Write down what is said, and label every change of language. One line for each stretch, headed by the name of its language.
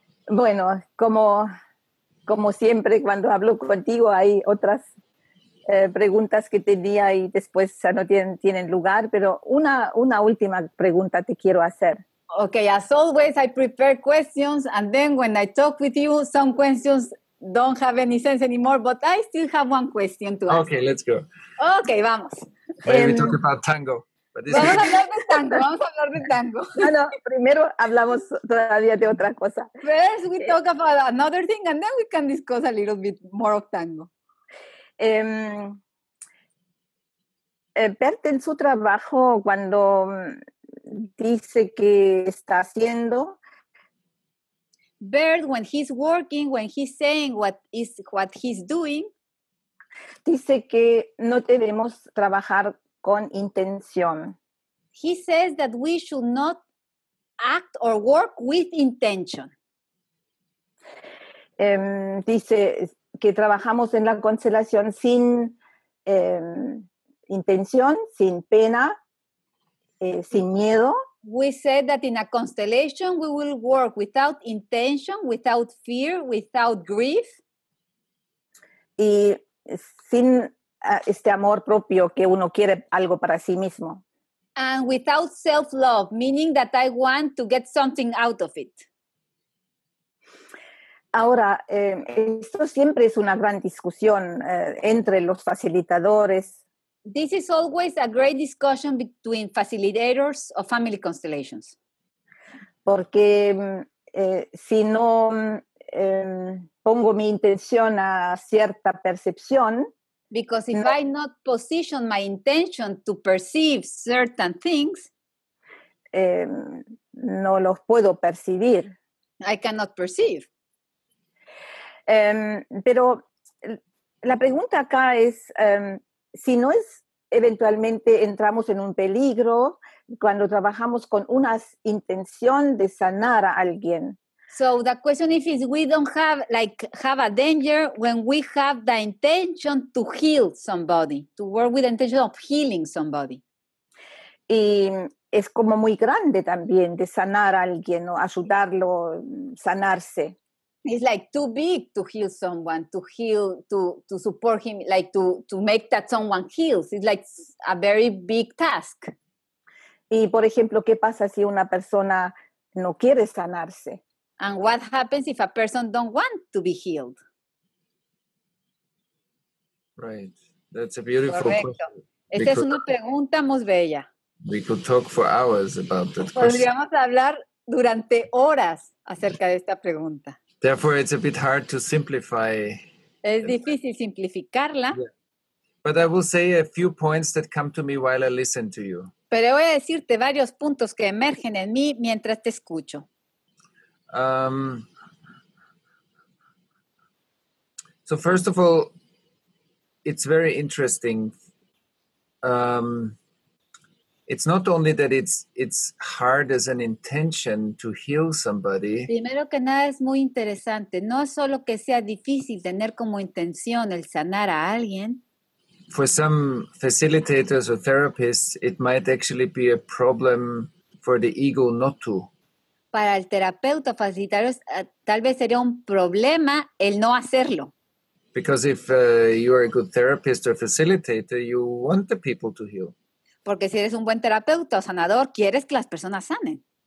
Spanish: Bueno, como siempre cuando hablo contigo hay otras preguntas que tenía y después ya no tienen lugar, pero una última pregunta te quiero hacer.
English: Okay, as always I prepare questions and then when I talk with you some questions don't have any sense anymore, but I still have one question to ask. Okay, let's go.
Spanish: Okay, vamos.
English: Maybe we talk about tango.
Spanish: Vamos a hablar de tango. No, primero hablamos todavía de otra cosa.
English: First we talk about another thing and then we can discuss a little bit more of tango.
Spanish: Bert, en su trabajo, cuando dice que está haciendo...
English: Bert, when he's working, when he's saying what he's doing...
Spanish: Dice que no debemos trabajar... con intención.
English: He says that we should not act or work with intention.
Spanish: Dice que trabajamos en la constelación sin intención, sin pena, sin miedo.
English: We said that in a constellation we will work without intention, without fear, without grief.
Spanish: Y sin este amor propio que uno quiere algo para sí mismo.
English: And without self-love, meaning that I want to get something out of it.
Spanish: Ahora, esto siempre es una gran discusión entre los facilitadores.
English: This is always a great discussion between facilitators of family constellations.
Spanish: Porque si no pongo mi intención a cierta percepción,
English: because if no, I not position my intention to perceive certain things,
Spanish: no los puedo percibir.
English: I cannot perceive.
Spanish: Pero la pregunta acá es, si no es eventualmente entramos en un peligro cuando trabajamos con una intención de sanar a alguien.
English: So the question is, we don't have a danger when we have the intention to heal somebody, to work with the intention of healing somebody.
Spanish: Y es como muy grande también de sanar a alguien, ¿no? Ayudarlo, sanarse.
English: It's like too big to heal someone, to support him, like to make that someone heals. It's like a very big task.
Spanish: Y por ejemplo, ¿qué pasa si una persona no quiere sanarse?
English: And what happens if a person don't want to be healed? Right. That's a beautiful question.
Spanish: Esta es una pregunta muy bella.
English: We could talk for hours about that question.
Spanish: Podríamos hablar durante horas acerca de esta pregunta.
English: Therefore, it's a bit hard to simplify.
Spanish: Es difícil simplificarla.
English: Yeah. But I will say a few points that come to me while I listen to you.
Spanish: Pero voy a decirte varios puntos que emergen en mí mientras te escucho.
English: So first of all, it's very interesting. It's not only that it's hard as an intention to heal somebody.
Spanish: Primero que nada es muy interesante. No es solo que sea difícil tener como intención el sanar a alguien.
English: For some facilitators or therapists, it might actually be a problem for the ego not to.
Spanish: Para el terapeuta facilitador tal vez sería un problema el no hacerlo.
English: Because if you are a good therapist or facilitator, you want the people to heal.
Spanish: Porque si eres un buen terapeuta o sanador, quieres que las personas sanen.